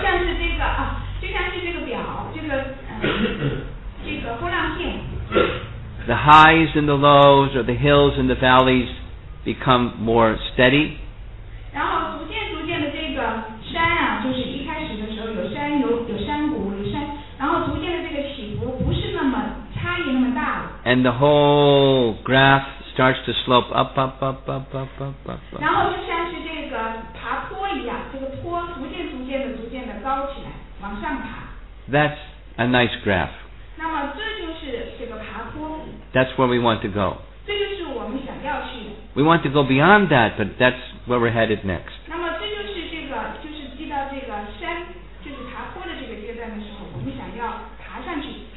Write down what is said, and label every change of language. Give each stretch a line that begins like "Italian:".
Chinese: 就像是这个就像是这个表，这个波浪线。
English: The highs and the lows, or the hills and the valleys, become more steady.
Chinese: 然后逐渐逐渐的这个山啊，就是一开始的时候有山有山谷有山，然后逐渐的这个起伏不是那么差异那么大了。
English: And the whole graph starts to slope up, up, up, up, up, up, up, up.
Chinese: 然后就像是这个爬坡一样，这个坡逐渐逐渐的逐渐的高起来，往上爬。
English: That's a nice graph.
Chinese: 那么这就是这个爬坡。
English: That's where we want to go.
Chinese: 这就是我们想要去的。
English: We want to go beyond that, but that's where we're headed next.
Chinese: 那么这就是这个，就是进到这个山，就是爬坡的这个阶段的时候，我们想要爬上去。